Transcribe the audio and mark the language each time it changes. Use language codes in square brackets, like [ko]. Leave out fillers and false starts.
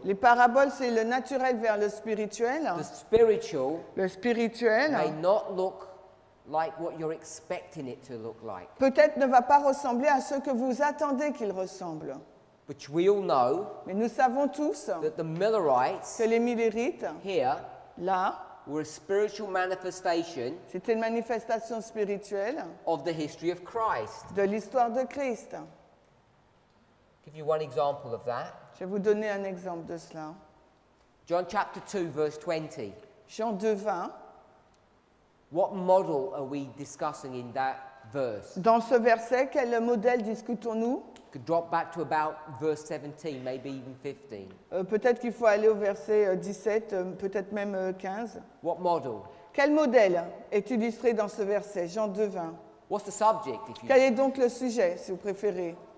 [fr] les paraboles c'est le naturel vers le spirituel, [en] the spiritual, [fr] le spirituel [en] may not look like what you're expecting it to look like. [fr] Peut-être ne va pas ressembler à ce que vous attendez qu'il ressemble. [en] But we all know, [fr] mais nous savons tous [en] that the Millerites, [fr] que les Millerites [en] here, [fr] là, [en] were a spiritual manifestation. [fr] C'était une manifestation spirituelle. [en] Of the history of Christ. [fr] De l'histoire de Christ. [en] Give you one example of that. [fr] Je vais vous donner un exemple de cela. [en] John chapter 2 verse 20. [fr] Jean 2, 20. [en] What model are we discussing in that verse? [fr] Dans ce verset, quel modèle discutons-nous? [en] Could drop back to about verse 17, maybe even 15. [fr] Peut-être qu'il faut aller au verset 17, peut-être même 15. [en] What model? [fr] Quel modèle est illustré dans ce verset, Jean 2, 20? [en] What's the subject, if you... [fr] Quel est donc le sujet, si vous préférez?